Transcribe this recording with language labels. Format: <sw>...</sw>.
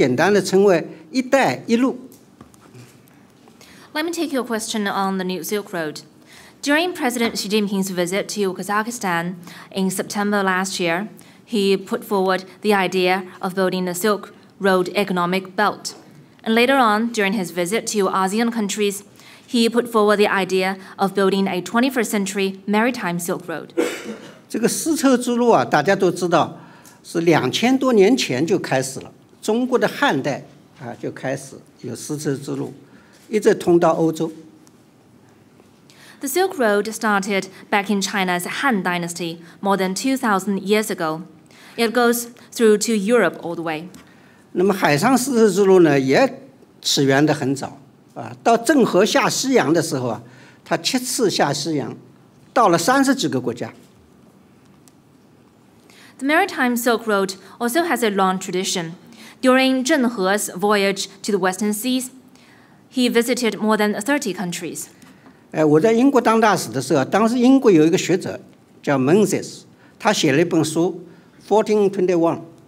<zh>丝绸之路的问题啊，我来回答一下啊。这个去年9月份，习近平主席访问哈萨克斯坦的时候，就提出来要建设丝绸之路经济带。后来他在访问东盟的时候又提出来要建立21世纪的海上丝绸之路，我们中国简单的称为“一带一路”。</zh> <en>Let me take your question on the New Silk Road. During President Xi Jinping's visit to Kazakhstan in September last year, he put forward the idea of building a Silk Road economic belt. And later on, during his visit to ASEAN countries, he put forward the idea of building a 21st century maritime Silk Road.</en> <zh>这个丝绸之路啊，大家都知道是2000多年前就开始了，中国的汉代啊就开始有丝绸之路。</zh> <en>The Silk Road started back in China's Han Dynasty more than 2,000 years ago. It goes through to Europe all the way.</en> <zh>那么海上丝绸之路呢，也起源得很早，啊，到郑和下西洋的时候啊，它七次下西洋，到了30几个国家。</zh> <en>The Maritime Silk Road also has a long tradition. During Zhenghe's voyage to the Western Seas, he visited more than 30 countries.</en> <zh>我在英国当大使的时候，当时英国有一个学者叫 Menzies， 他写了一本书 1421。</zh>